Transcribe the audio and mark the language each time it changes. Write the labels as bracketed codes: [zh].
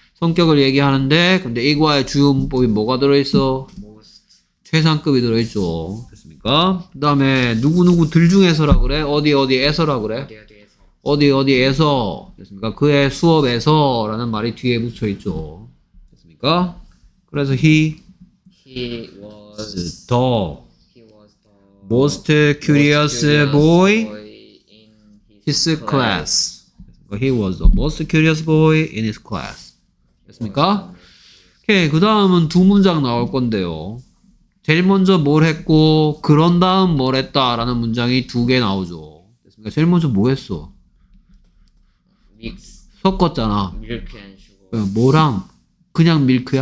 [ko] 성격을 얘기하는데, 근데 이과의 주요 문법이 뭐가 들어있어? [en] Most. [ko] 최상급이 들어있죠. 됐습니까? 그 다음에 누구누구 들 중에서라 그래? 어디어디에서라 그래? 어디어디에서 됐습니까? 그의 수업에서 라는 말이 뒤에 붙여 있죠. 됐습니까? 그래서 [en] he was the most curious boy in his class. He was the most curious boy in his class. [ko] 됐습니까? 오케이. 그 다음은 두 문장 나올 건데요. 제일 먼저 뭘 했고 그런 다음 뭘 했다 라는 문장이 두 개 나오죠. 됐습니까? 제일 먼저 뭐 했어? 섞었잖아. [en] 밀크앤슈거. [ko] 뭐랑? 그냥 밀크야?